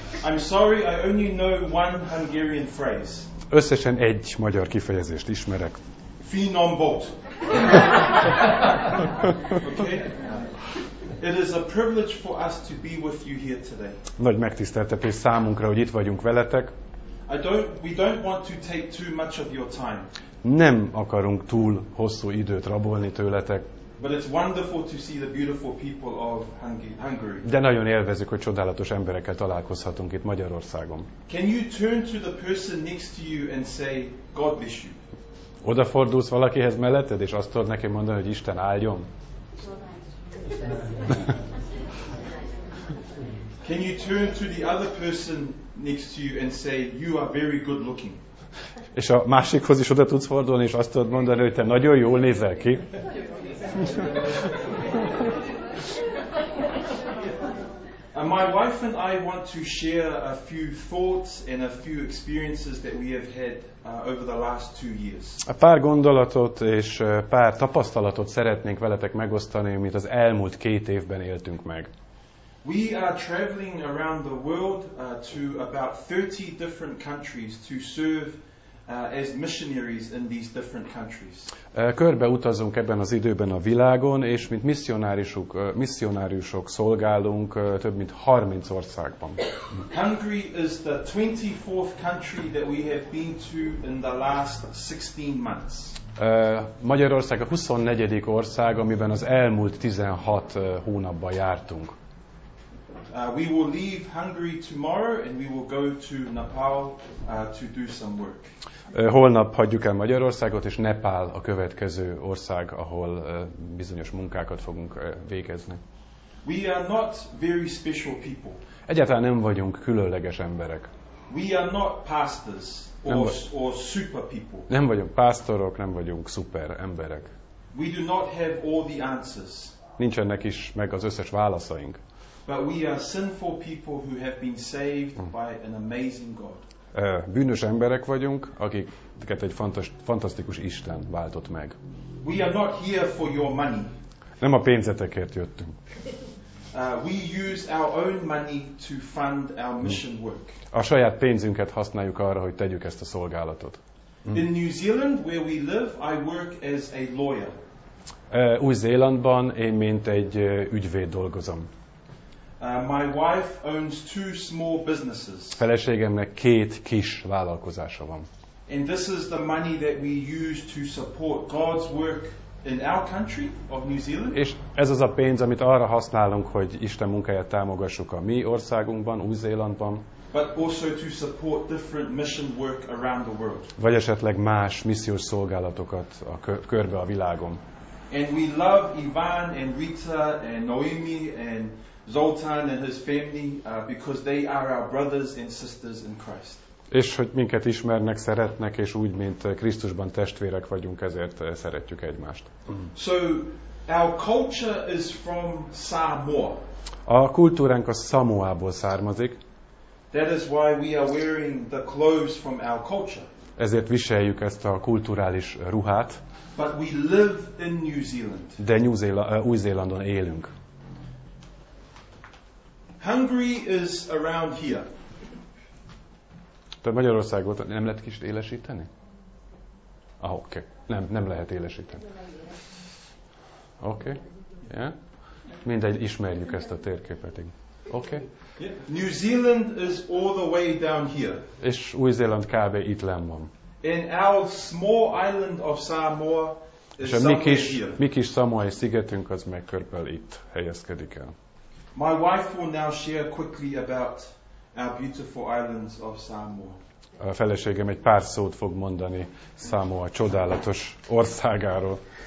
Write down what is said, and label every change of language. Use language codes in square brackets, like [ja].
[en] I'm sorry, I only know one Hungarian phrase. [hu] Összesen 1 magyar kifejezést ismerek. Finom volt. [en] It is a privilege for us to be with you here today. [hu] Nagy megtiszteltetés számunkra, hogy itt vagyunk veletek. [en] We don't want to take too much of your time. [hu] Nem akarunk túl hosszú időt rabolni tőletek. [en] But it's wonderful to see the beautiful people of Hungary. [hu] De nagyon élvezik, hogy csodálatos emberekkel találkozhatunk itt Magyarországon. [en] Can you turn to the person next to you and say, God bless you? [hu] Odafordulsz valakihez melletted, és azt tudod neki mondani, hogy Isten áldjon? [en] Can you turn to the other person next to you and say, you are very good looking? [hu] És a másikhoz is oda tudsz fordulni, és azt tudod mondani, hogy te nagyon jól nézel ki. [en] And my wife and I want to share a few thoughts and a few experiences that we have had over the last 2 years. [hu] A pár gondolatot és pár tapasztalatot szeretnénk veletek megosztani, amit az elmúlt 2 évben éltünk meg. [en] We are traveling around the world to about 30 different countries to serve as missionaries in these different countries. [hu] Körbe utazunk ebben az időben a világon, és mint missionáriusok szolgálunk több mint 30 országban. [en] Hungary is the 24th country that we have been to in the last 16 months. [hu] Magyarország a 24. ország, amiben az elmúlt 16 hónapban jártunk. [en] We will leave Hungary tomorrow and we will go to Nepal to do some work. [hu] Holnap hagyjuk el Magyarországot, és Nepál a következő ország, ahol bizonyos munkákat fogunk végezni. [en] We are not very special people. [hu] Egyáltalán nem vagyunk különleges emberek. [en] We are not pastors or super people. [hu] Nem vagyunk pásztorok, nem vagyunk szuper emberek. [en] We do not have all the answers. [hu] Nincsenek is meg az összes válaszaink. [en] But we are sinful people who have been saved by an amazing God. [hu] Bűnös emberek vagyunk, akiket egy fantasztikus Isten váltott meg. [en] We are not here for your money. [hu] Nem a pénzetekért jöttünk. [en] We use our own money to fund our mission work. [hu] A saját pénzünket használjuk arra, hogy tegyük ezt a szolgálatot. [en] In New Zealand, where we live, I work as a lawyer. [hu] Új-Zélandban én mint egy ügyvéd dolgozom. [en] My wife owns 2 small businesses. [hu] Feleségemnek 2 kis vállalkozása van. [en] And this is the money that we use to support God's work in our country of New Zealand. [hu] És ez az a pénz, amit arra használunk, hogy Isten munkáját támogassuk a mi országunkban, Új-Zélandban. [en] But also to support different mission work around the world. [hu] Vagy esetleg más missziós szolgálatokat a körbe a világon. [en] And we love Ivan and Rita and Noemi and Zoltán and his family because they are our brothers and sisters in Christ. [hu] És hogy minket ismernek, szeretnek, és úgy mint Krisztusban testvérek vagyunk, ezért szeretjük egymást. [en] So our culture is from Samoa. [hu] A kultúránk a Samoából származik. [en] That is why we are wearing the clothes from our culture. [hu] Ezért viseljük ezt a kulturális ruhát. [en] But we live in New Zealand. [hu] De Új-Zélandon élünk. [en] Hungary is around here. [hu] Tehát Magyarországot nem lehet kicsit élesíteni? Ah, oké. Okay. Nem lehet élesíteni. Oké. Okay. Yeah. Mindegy, ismerjük ezt a térképet. Oké. Okay. Yeah. [en] New Zealand is all the way down here. [hu] És Új-Zéland kb. Itt lenn van. [en] And our small island of Samoa is somewhere here. [hu] Mi kis Samoai szigetünk az meg körülbelül itt helyezkedik el. [en] My wife will now share quickly about our beautiful islands of Samoa. [hu] A feleségem egy pár szót fog mondani Samoa csodálatos országáról.